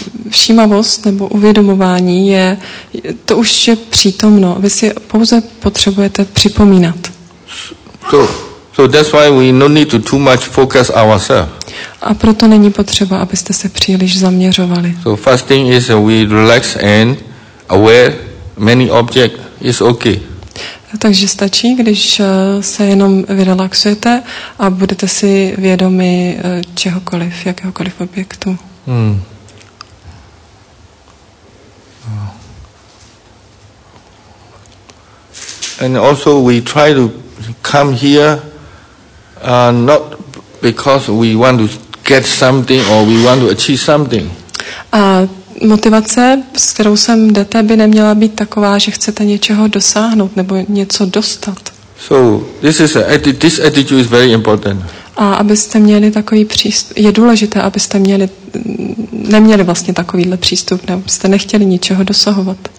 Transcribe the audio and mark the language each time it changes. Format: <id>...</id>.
<cs>Všímavost nebo uvědomování je, to už je přítomno. Vy si pouze potřebujete připomínat.</cs> <en>So that's why we don't need to too much focus ourselves.</en> <cs>A proto není potřeba, abyste se příliš zaměřovali.</cs> <en>So fasting is we relax and aware many object is okay.</en> <cs>Takže stačí, když se jenom vyrelaxujete a budete si vědomi čehokoliv, jakéhokoliv objektu. Hmm.</cs> <en>And also we try to come here not because we want to get something or we want to achieve something.</en> <cs>A motivace, s kterou sem jdete, by neměla být taková, že chcete něčeho dosáhnout nebo něco dostat.</cs> <en>So this is this attitude is very important.</en> <cs>A abyste měli takový přístup, je důležité, abyste měli neměli vlastně takovýhle přístup, nebo abyste nechtěli ničeho dosahovat.</cs>